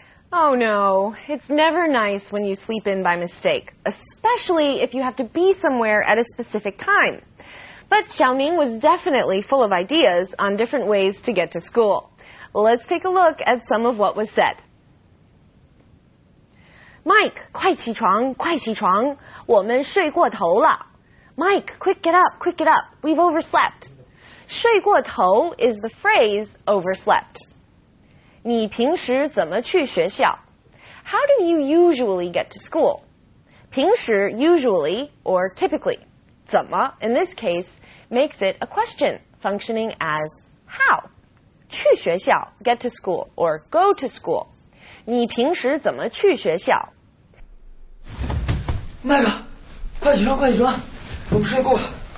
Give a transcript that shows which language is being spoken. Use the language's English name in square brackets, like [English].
[English] Oh no, it's never nice when you sleep in by mistake, especially if you have to be somewhere at a specific time. But Xiaoming was definitely full of ideas on different ways to get to school. Let's take a look at some of what was said. [Chinese] Mike, 快起床，我们睡过头了。 [English] Mike, quick get up, we've overslept. 睡过头 is the phrase overslept. [Chinese] 你平时怎么去学校？ [English] How do you usually get to school? 平时 usually or typically. 怎么 in this case makes it a question functioning as how. 去学校 get to school or go to school. [Chinese] 你平时怎么去学校？麦克，快起床，我们睡够了。